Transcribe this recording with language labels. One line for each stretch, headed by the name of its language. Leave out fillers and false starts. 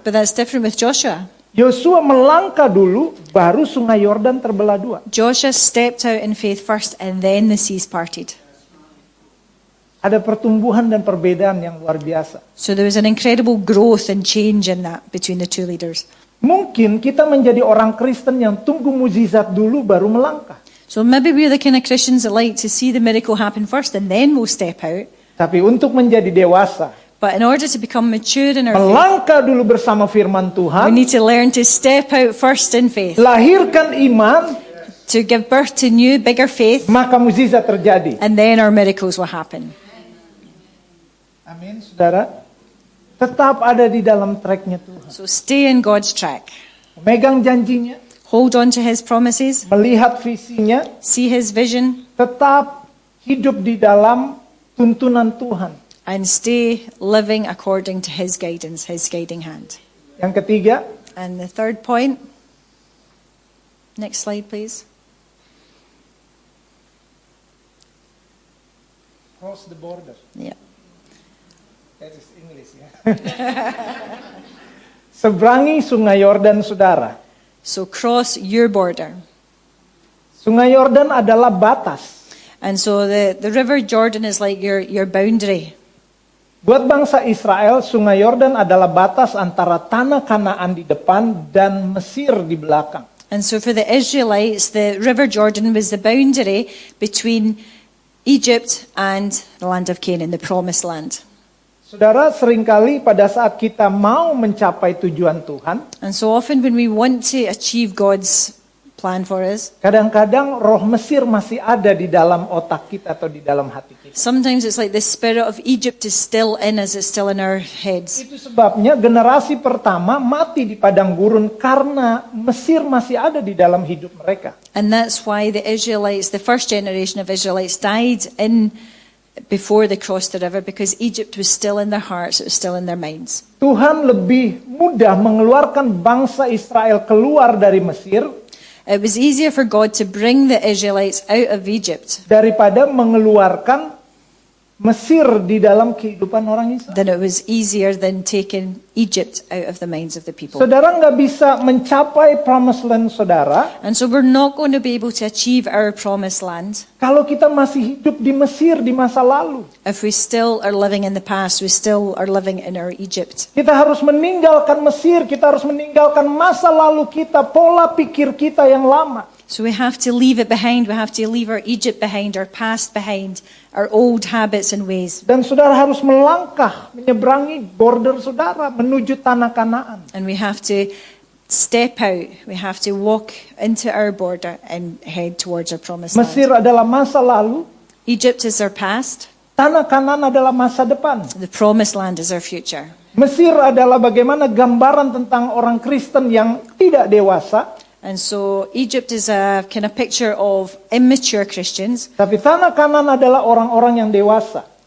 English: But that's different with Joshua.
Indonesian: Yosua melangkah dulu, baru Sungai Yordan terbelah dua.
English: Joshua stepped out in faith first, and then the seas parted.
Indonesian: Ada pertumbuhan dan perbedaan yang luar biasa.
English: So there was an incredible growth and change in that between the two leaders.
Indonesian: Mungkin kita menjadi orang Kristen yang tunggu mujizat dulu, baru melangkah.
English: So maybe we're the kind of Christians that like to see the miracle happen first and then we'll step out.
Indonesian: Tapi untuk menjadi dewasa.
English: But in order to become mature in our
Indonesian: melangkah dulu bersama firman Tuhan.
English: We need to learn to step out first in faith.
Indonesian: Lahirkan iman.
English: To give birth to new, bigger faith.
Indonesian: Maka mujizat terjadi.
English: And then our miracles will happen.
Indonesian: Amin, saudara. Tetap ada di dalam track-nya Tuhan.
English: So stay in God's track.
Indonesian: Megang janjinya.
English: Hold on to his promises.
Indonesian: Melihat visinya.
English: See his vision.
Indonesian: Tetap hidup di dalam tuntunan Tuhan.
English: And stay living according to his guidance, his guiding hand.
Indonesian: Yang ketiga.
English: And the third point. Next slide, please. Cross the border. Yeah. That is English, yeah.
Indonesian: Seberangi Sungai Yordan, saudara.
English: So cross your border.
Indonesian: Sungai Yordan adalah batas.
English: And so the river Jordan is like your boundary.
Indonesian: Buat bangsa Israel, Sungai Yordan adalah batas antara tanah Kanaan di depan dan Mesir di belakang.
English: And so for the Israelites, the river Jordan was the boundary between Egypt and the land of Canaan, the promised land.
Indonesian: Saudara, seringkali pada saat kita mau mencapai tujuan Tuhan,
English: and so often when we want to achieve God's plan for us,
Indonesian: kadang-kadang roh Mesir masih ada di dalam otak kita atau di dalam hati kita.
English: Sometimes it's like the spirit of Egypt is still in us, it's still in our heads.
Indonesian: Itu sebabnya generasi pertama mati di padang gurun karena Mesir masih ada di dalam hidup mereka.
English: And that's why the Israelites, the first generation of Israelites died in before they crossed the river, because Egypt was still in their hearts, it was still in their minds.
Indonesian: Tuhan lebih mudah mengeluarkan bangsa Israel keluar dari Mesir.
English: It was easier for God to bring the Israelites out of Egypt
Indonesian: daripada mengeluarkan Mesir di dalam kehidupan orang Israel.
English: Then it was easier than taking Egypt out of the minds of the people.
Indonesian: Saudara enggak bisa mencapai
English: promised land,
Indonesian: saudara.
English: And so we're not going to be able to achieve our promised land.
Indonesian: Kalau kita masih hidup di Mesir di masa lalu.
English: If we still are living in the past, we still are living in our Egypt.
Indonesian: Kita harus meninggalkan Mesir, kita harus meninggalkan masa lalu kita, pola pikir kita yang lama.
English: So we have to leave it behind, we have to leave our Egypt behind, our past behind, our old habits and ways.
Indonesian: Dan saudara harus melangkah, menyeberangi border saudara menuju tanah Kanaan.
English: And we have to step out, we have to walk into our border and head towards our promised land.
Indonesian: Mesir adalah masa lalu.
English: Egypt is our past.
Indonesian: Tanah Kanaan adalah masa depan.
English: The promised land is our future.
Indonesian: Mesir adalah bagaimana gambaran tentang orang Kristen yang tidak dewasa.
English: And so Egypt is a kind of picture of immature Christians.
Indonesian: Tapi tanah Kanaan adalah orang-orang yang dewasa.